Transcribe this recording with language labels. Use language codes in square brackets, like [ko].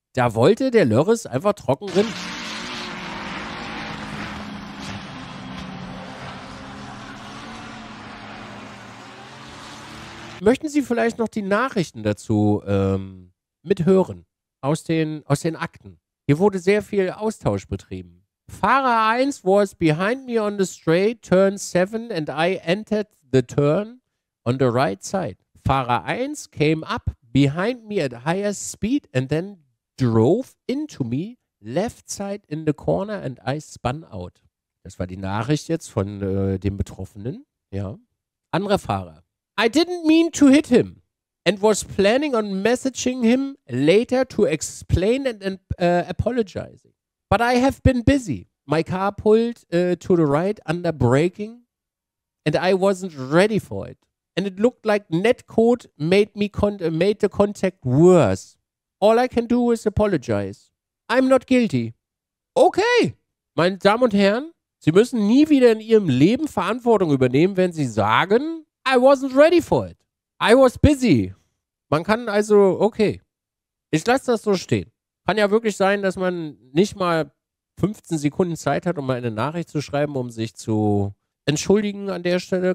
[de] Da wollte der Lörres einfach trocken rinnen. Möchten Sie vielleicht noch die Nachrichten dazu mithören? Aus den Akten. Hier wurde sehr viel Austausch betrieben. [en] Fahrer 1 was behind me on the straight, turn 7, and I entered the turn on the right side. Fahrer 1 came up behind me at higher speed and then drove into me, left side in the corner, and I spun out. [de] Das war die Nachricht jetzt von dem Betroffenen. Ja. Anderer Fahrer. [en] I didn't mean to hit him. And was planning on messaging him later to explain and apologizing. But I have been busy. My car pulled to the right under braking and I wasn't ready for it. And it looked like netcode made the contact worse. All I can do is apologize. I'm not guilty. [de] Okay, meine Damen und Herren, Sie müssen nie wieder in Ihrem Leben Verantwortung übernehmen, wenn Sie sagen, [en] I wasn't ready for it. I was busy. [de] Man kann also, okay, ich lasse das so stehen. Kann ja wirklich sein, dass man nicht mal 15 Sekunden Zeit hat, um mal eine Nachricht zu schreiben, um sich zu entschuldigen an der Stelle.